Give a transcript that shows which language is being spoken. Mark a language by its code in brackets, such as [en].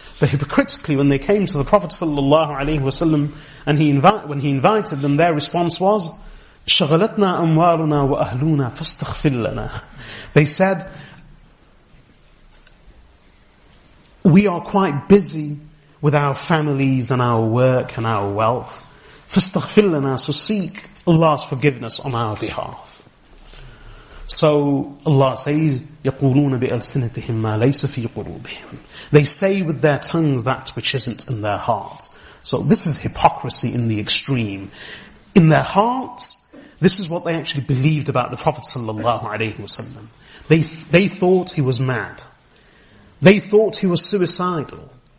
[en] But hypocritically, when they came to the Prophet sallallahu alaihi wasallam, and when he invited them, their response was, [ar] "Shaghalatna amwaluna wa ahluna fastaghfir lana." [en] They said, "We are quite busy with our families and our work and our wealth. [ar] فَاسْتَغْفِرْ لَنَا, [en] so seek Allah's forgiveness on our behalf. So Allah says, [ar] يَقُولُونَ بِأَلْسِنَتِهِمْ مَا لَيْسَ فِي قُلُوبِهِمْ. [en] They say with their tongues that which isn't in their heart. So this is hypocrisy in the extreme. In their hearts, this is what they actually believed about the Prophet sallallahu alaihi wasallam. They thought he was mad. They thought he was suicidal.